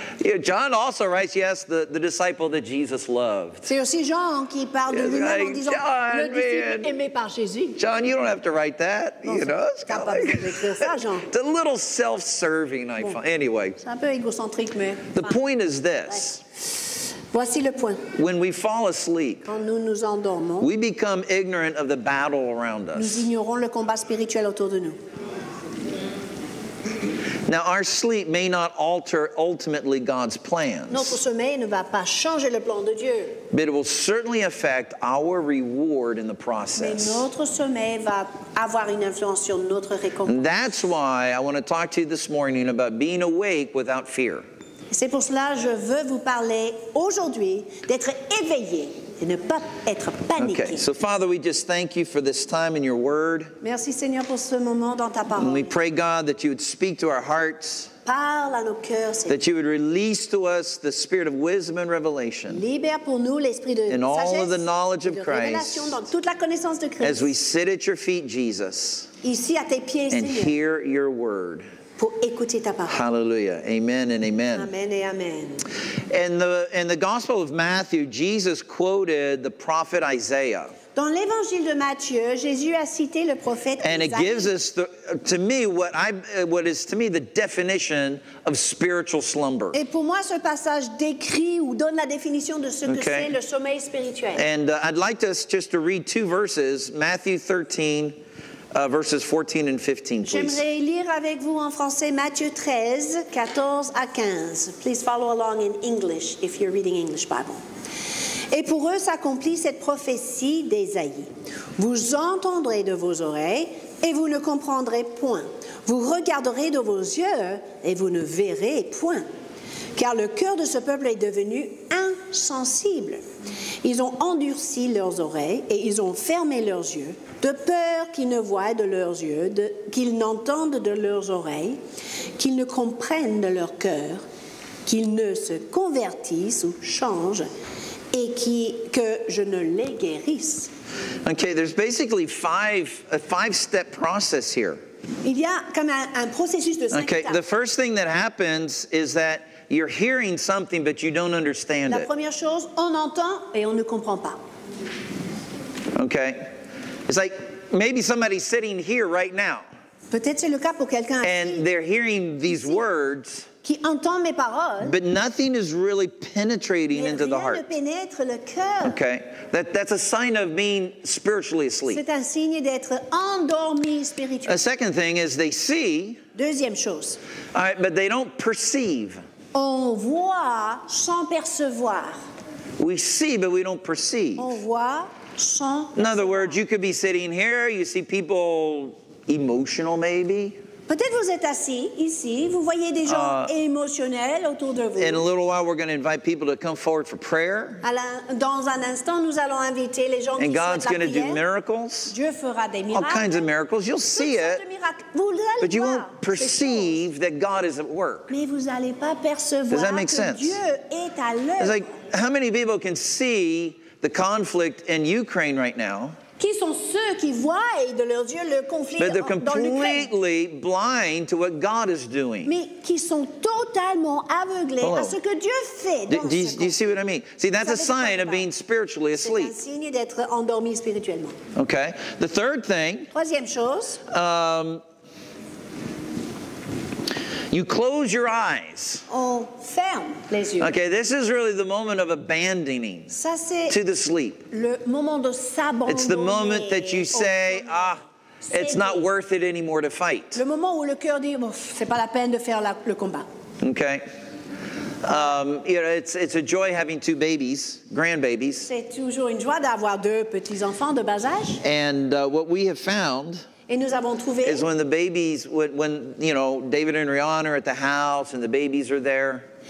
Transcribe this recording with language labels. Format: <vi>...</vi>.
<en>Yeah, John also writes, yes, the disciple that Jesus loved.</en> <fr>C'est aussi Jean qui parle de lui-même en disant,</fr> <en>John,</en> <fr>le disciple aimé par Jésus.</fr> <en>John, you don't have to write that,</en> <fr>non,</fr> <en>you know.</en> <fr>C'est pas capable d'écrire ça, Jean.</fr> <en>It's a little self-serving, I find. Anyway.</en> <fr>C'est un peu égocentrique, mais...</fr> <en>The point is this.</en> <fr>Ouais. Voici le point.</fr> <en>When we fall asleep,</en> <fr>quand nous nous endormons,</fr> <en>we become ignorant of the battle around us.</en> <fr>Nous ignorons le combat spirituel autour de nous.</fr> <en>Now our sleep may not alter ultimately God's plans.</en> <fr>Notre sommeil ne va pas changer le plan de Dieu.</fr> <en>But it will certainly affect our reward in the process.</en> <fr>Mais notre sommeil va avoir une influence sur notre récompense.</fr> <en>And that's why I want to talk to you this morning about being awake without fear.</en> <fr>C'est pour cela que je veux vous parler aujourd'hui d'être éveillé et ne pas être paniqué.</fr> <en>Okay. So Father, we just thank you for this time in your word.</en> <fr>Merci Seigneur pour ce moment dans ta parole.</fr> <en>And we pray God that you would speak to our hearts.</en> <fr>Parle à nos cœurs, Seigneur.</fr> <en>That you would release to us the spirit of wisdom and revelation.</en> <fr>Libère pour nous l'esprit de sagesse.</fr> <en>In all of the knowledge of Christ.</en> <fr>Dans toute la connaissance de Christ.</fr> <en>As we sit at your feet, Jesus.</en> <fr>Ici à tes pieds, Seigneur.</fr> <en>And hear your word.</en> <fr>Pour écouter ta parole.</fr> <en>Hallelujah. Amen and amen.</en> <fr>Amen et amen.</fr> <en>In the Gospel of Matthew, Jesus quoted the prophet Isaiah.</en> <fr>Dans l'Évangile de Matthieu, Jésus a cité le prophète Isaïe.</fr> <en>And it gives us, what is to me the definition of spiritual slumber.</en> <fr>Et pour moi, ce passage décrit ou donne la définition de ce que c'est le sommeil spirituel.</fr> <en>And I'd like us just to read two verses, Matthew 13. Verses 14 and 15, please.</en> <fr>J'aimerais lire avec vous en français Matthieu 13, 14 à 15.</fr> <en>Please follow along in English if you're reading English Bible.</en> <fr>Et pour eux s'accomplit cette prophétie d'Ésaïe. Vous entendrez de vos oreilles et vous ne comprendrez point. Vous regarderez de vos yeux et vous ne verrez point. Car le cœur de ce peuple est devenu impossible. sensibles. Ils ont endurci leurs oreilles et ils ont fermé leurs yeux, de peur qu'ils ne voient de leurs yeux, qu'ils n'entendent de leurs oreilles, qu'ils ne comprennent de leur cœur, qu'ils ne se convertissent ou changent, et que je ne les guérisse.</fr> <en>Okay, there's basically a five-step process here.</en> <fr>Il y a comme un processus de cinq étapes.</fr> <en>The first thing that happens is that you're hearing something, but you don't understand it.</en> <fr>La première chose, on entend et on ne comprend pas.</fr> <en>Okay. It's like maybe somebody's sitting here right now.</en> <fr>Peut-être c'est le cas pour quelqu'un ici.</fr> <en>And they're hearing these words.</en> <fr>Qui entend mes paroles.</fr> <en>But nothing is really penetrating into the heart.</en> <fr>Mais rien ne pénètre le cœur.</fr> <en>Okay. That's a sign of being spiritually asleep.</en> <fr>C'est un signe d'être endormi spirituellement.</fr> <en>A second thing is they see.</en> <fr>Deuxième chose.</fr> <en>All right, but they don't perceive.</en> <fr>On voit sans percevoir.</fr> <en>We see, but we don't perceive.</en> <fr>On voit sans percevoir.</fr> <en>In other words, you could be sitting here, you see people emotional maybe.</en> <fr>Peut-être vous êtes assis ici, vous voyez des gens émotionnels autour de vous.</fr> <en>In a little while, we're going to invite people to come forward for prayer.</en> <fr>Dans un instant, nous allons inviter les gens</fr> <en>and God's</en> <fr>souhaitent la prière.</fr> <en>Do miracles,</en> <fr>Dieu fera des miracles.</fr> <en>All kinds of miracles. You'll see it.</en> <fr>Vous allez</fr> <en>but you won't perceive that God is at work.</en> <fr>Mais vous n'allez pas percevoir que Dieu est à l'œuvre.</fr> <en>It's like, how many people can see the conflict in Ukraine right now?</en> <fr>Qui sont ceux qui voient de leurs yeux le conflit dans l'Ukraine? Mais qui sont totalement aveuglés à ce que Dieu fait dans ce conflit.</fr> <en>Do you see what I mean? See, that's a sign of being spiritually asleep.</en> <fr>C'est un signe d'être endormi spirituellement.</fr> <en>Okay. The third thing.</en> <fr>Troisième chose.</fr> <en>You close your eyes.</en> <fr>On ferme les yeux.</fr> <en>Okay, this is really the moment of abandoning</en> <fr>ça, c'est</fr> <en>to the sleep.</en> <fr>Le moment de s'abandonner.</fr> <en>It's the moment that you say, ah, it's not worth it anymore to fight.</en> <fr>Le moment où le cœur dit, bon, c'est pas la peine de faire le combat.</fr> <en>Okay. You know, it's a joy having two babies, grandbabies.</en> <fr>C'est toujours une joie d'avoir deux petits-enfants de bas âge.</fr> <en>And what we have found</en> <fr>et nous avons trouvé</fr> <en>is when the babies, when you know, David and Rihanna are at the house and the babies are there.</en>